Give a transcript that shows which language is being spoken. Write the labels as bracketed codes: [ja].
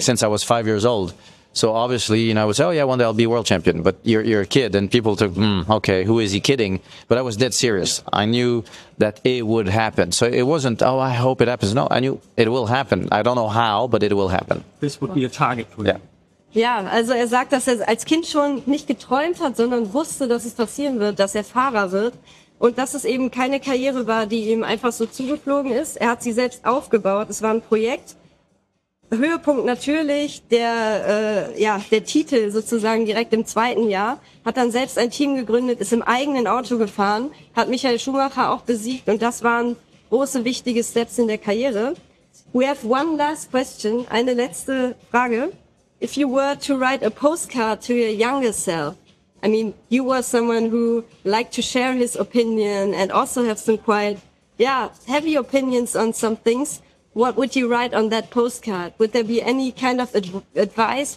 [en] Since I was 5 years old, so obviously, you know, I would say, "Oh yeah, one day I'll be world champion." But you're a kid, and people took, "Okay, who is he kidding?" But I was dead serious. I knew that it would happen. So it wasn't, "Oh, I hope it happens." No, I knew it will happen. I don't know how, but it will happen. This would be a target for you. [de] Ja, also er sagt, dass er als Kind schon nicht geträumt hat, sondern wusste, dass es passieren wird, dass er Fahrer wird. Und dass es eben keine Karriere war, die ihm einfach so zugeflogen ist. Er hat sie selbst aufgebaut. Es war ein Projekt. Höhepunkt natürlich, der Titel sozusagen direkt im zweiten Jahr. Hat dann selbst ein Team gegründet, ist im eigenen Auto gefahren, hat Michael Schumacher auch besiegt. Und das waren große, wichtige Steps in der Karriere. [en] We have one last question. [de] Eine letzte Frage. [en] If you were to write a postcard to your younger self, I mean, you were someone who liked to share his opinion and also have some quite, heavy opinions on some things. What would you write on that postcard? Would there be any kind of advice?